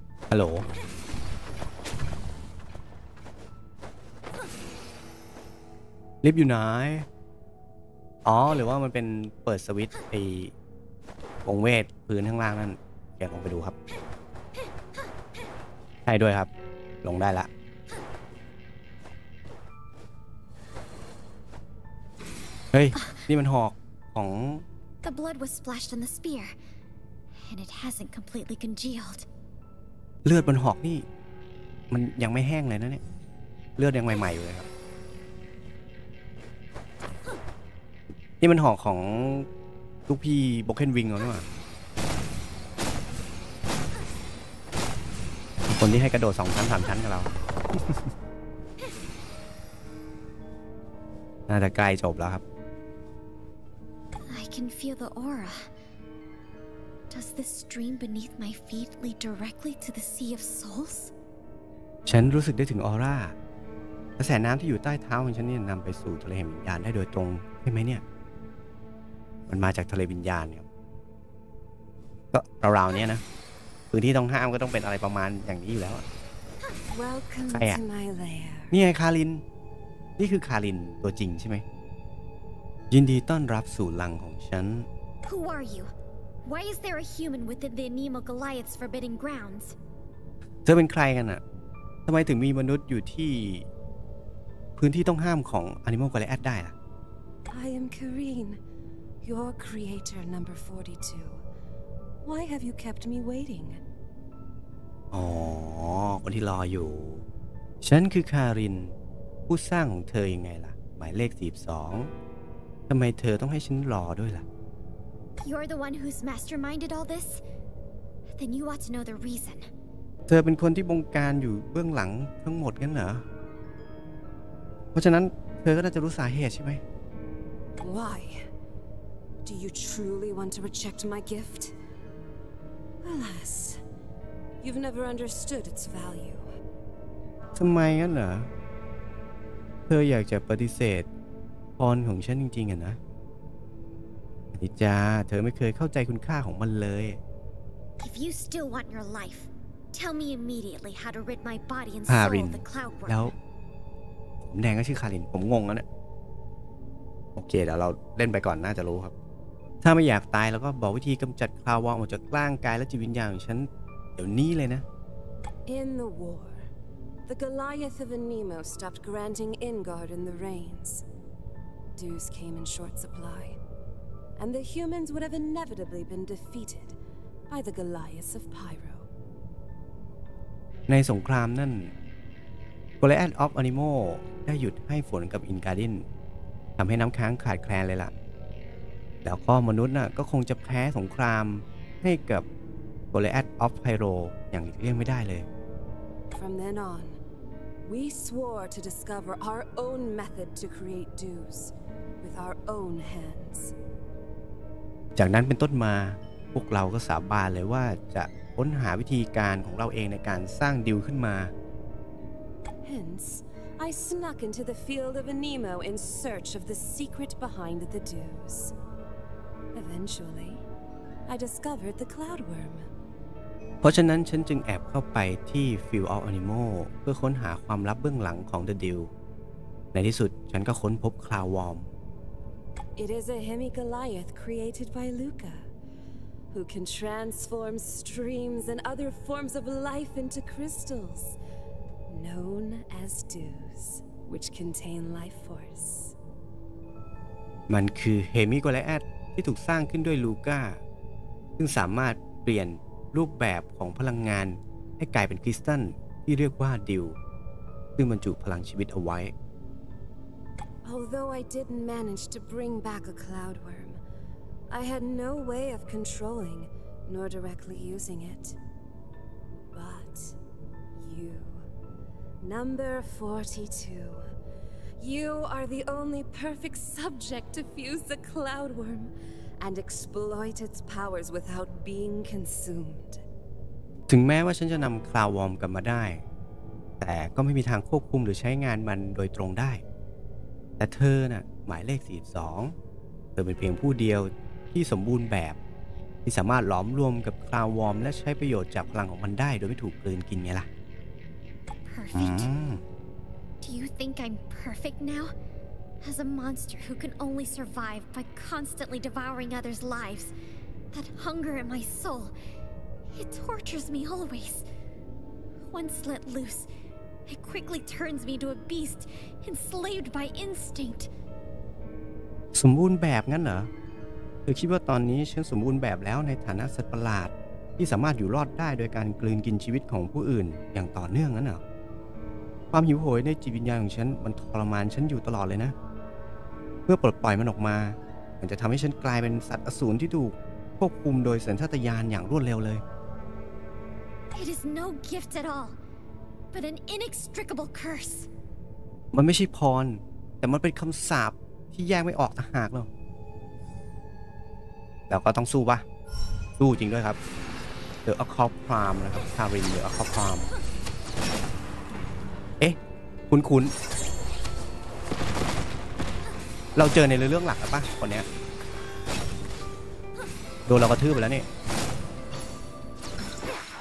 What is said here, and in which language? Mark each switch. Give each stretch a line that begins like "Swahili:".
Thai: ฮัลโหลลิฟต์อยู่ไหนอ๋อหรือว่ามันเป็นเปิดสวิตช์ไอ้วงเวทพื้นข้างล่างนั่นแกลองไปดูครับใช่ด้วยครับลงได้ละเฮ้ยนี่มันหอกของ
English: The blood was splashed on the spear and it hasn't completely congealed
Thai: เลือดบนหอกนี่มันยังไม่แห้งเลยนะเนี่ยเลือดยังใหม่ๆอยู่เลยครับนี่มันหอกของลูกพี่ Broken Wing เหรอเนี่ยคนที่ให้กระโดด2ชั้น3ชั้นกับเราน่าจะใกล้จบแล้วครับ
English: I can feel the aura. Does this stream beneath my feet lead directly to the sea of souls?
Thai: ฉันรู้สึกได้ถึงออร่ากระแสน้ำที่อยู่ใต้เท้าของฉันเนี่ยนำไปสู่ทะเลแห่งวิญญาณได้โดยตรงใช่ไหมเนี่ยมันมาจากทะเลวิญญาณครับก็ราวๆเนี้ยนะ พื้นที่ต้องห้ามก็ต้องเป็นอะไรประมาณอย่างนี้อยู่แล้วใครอ่ะนี่ไงคารินนี่คือคารินตัวจริงใช่ไหมยินดีต้อนรับสู่ลังของฉัน
English: Who are you? Why is there a human within the Anemo Goliath's forbidden grounds?
Thai: เธอเป็นใครกันอ่ะทำไมถึงมีมนุษย์อยู่ที่พื้นที่ต้องห้ามของ Anemo Goliath ได้ล่ ะ
English: I am Kareen, your creator number 42. Why have you kept me waiting?
Thai: อ๋อคนที่รออยู่ฉันคือคารินผู้สร้างของเธอยังไงล่ะหมายเลข42ทำไมเธอต้องให้ฉันรอด้วยล่ะ
English: You're the one who's masterminded all this? Then you ought to know the reason.
Thai: เธอเป็นคนที่บงการอยู่เบื้องหลังทั้งหมดงั้นเหรอเพราะฉะนั้นเธอก็น่าจะรู้สาเหตุใช่ไหม
English: Why? Do you truly want to reject my gift? Alas, you've never understood its value.
Thai: ทำไมงั้นเหรอเธออยากจะปฏิเสธพรของฉันจริงๆอ่ะนะนิจาเธอไม่เคยเข้าใจคุณค่าของมันเลย
English: If you still want your life tell me immediately how to rid my body and soul of the cloud worm
Thai: แล้วผมแดงก็ชื่อคารินผมงงแล้วเนี่ยโอเคเดี๋ยวเราเล่นไปก่อนน่าจะรู้ครับถ้าไม่อยากตายแล้วก็บอกวิธีกำจัดคลาวออกจากร่างกายและจิตวิญญาณของฉันเดี๋ยวนี้เลยนะ
English: In the war the Goliath of Anemo stopped granting Ingard in the reins Dues came in short supplyAnd the humans would have inevitably been defeated by the Goliaths of Pyro.
Thai: ในสงครามนั่น Goliath of Anemo ได้หยุดให้ฝนกับ Ingardin ทำให้น้ำค้างขาดแคลนเลยล่ะแล้วก็มนุษย์น่ะก็คงจะแพ้สงครามให้กับ Goliath of Pyro อย่างเลี่ยงไม่ได้เลย
English: From then on, we swore to discover our own method to create dues with our own hands.
Thai: จากนั้นเป็นต้นมาพวกเราก็สาบานเลยว่าจะค้นหาวิธีการของเราเองในการสร้างดิวขึ้นมา
English: Hence I snuck into the field of Anemo in search of the secret behind the dews Eventually I discovered the cloud worm
Thai: เพราะฉะนั้นฉันจึงแอบเข้าไปที่ Field of Anemo เพื่อค้นหาความลับเบื้องหลังของ the dew ในที่สุดฉันก็ค้นพบคลาวด์วอร์ม
English: It is a hemi-goliath created by Luca, who can transform streams and other forms of life into crystals, known as dews, which contain life force.
Thai: มันคือเฮมิโกไลแอธที่ถูกสร้างขึ้นด้วยลูก้าซึ่งสามารถเปลี่ยนรูปแบบของพลังงานให้กลายเป็นคริสตัลที่เรียกว่าดิวซึ่งบรรจุพลังชีวิตเอาไว้
English: Although I didn't manage to bring back a cloud worm, I had no way of controlling nor directly using it. But you, number 42, you are the only perfect subject to fuse the cloud worm and exploit its powers without being consumed.
Thai: ถึงแม้ว่าฉันจะนำคลาวด์วอร์มกลับมาได้แต่ก็ไม่มีทางควบคุมหรือใช้งานมันโดยตรงได้แต่เธอน่ะหมายเลข42เธอเป็นเพียงผู้เดียวที่สมบูรณ์แบบที่สามารถหลอมรวมกับคลาวด์วอร์มและใช้ประโยชน์จากพลังของมันได้โดยไม่ถูกกลืนกินไงล่ะ
English: Perfect. Do you think I'm perfect now? As a monster who can only survive by constantly devouring others' lives, that hunger in my soul, it tortures me always. Once let looseIt quickly turns me to a beast enslaved by instinct.
Thai: สมบูรณ์แบบงั้นเหรอเธอคิดว่าตอนนี้ฉันสมบูรณ์แบบแล้วในฐานะสัตว์ประหลาดที่สามารถอยู่รอดได้โดยการกลืนกินชีวิตของผู้อื่นอย่างต่อเนื่องงั้นเหรอความหิวโหยในจิตวิญญาณของฉันมันทรมานฉันอยู่ตลอดเลยนะเมื่อปลดปล่อยมันออกมามันจะทำให้ฉันกลายเป็นสัตว์อสูรที่ถูกควบคุมโดยสัญชาตญาณอย่างรวดเร็วเลย
English: It is no gift at allBut an inextricable curse.
Thai: มันไม่ใช่พรแต่มันเป็นคำสาปที่แยกไม่ออกต่างหากเนาะแล้วก็ต้องสู้ป่ะสู้จริงด้วยครับ The Occult Prime นะครับคารินเดอะออคคัลต์พรามเอ๊ะคุ้นๆเราเจอในเรื่องหลักแล้วป่ะคนนี้โดนเรากระทืบไปแล้วนี่เฮ